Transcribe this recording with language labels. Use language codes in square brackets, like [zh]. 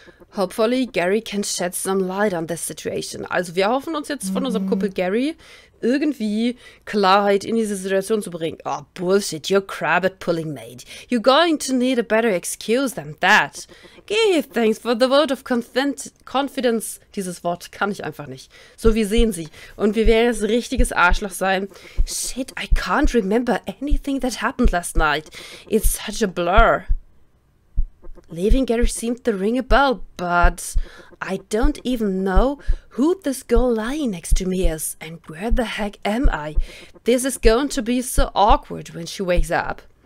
[en] Hopefully Gary can shed some light on this situation. [de] Also wir hoffen uns jetzt von unserem Kumpel Gary irgendwie Klarheit in diese Situation zu bringen. [en] Oh bullshit, you're crab at pulling mate. You're going to need a better excuse than that. Give thanks for the vote of confidence. [de] Dieses Wort kann ich einfach nicht. So, wir sehen sie. Und wir werden jetzt ein richtiges Arschloch sein. [en] Shit, I can't remember anything that happened last night. It's such a blur. Leaving Gary seemed to ring a bell, but I don't even know who this girl lying next to me is and where the heck am I. This is going to be so awkward when she wakes up.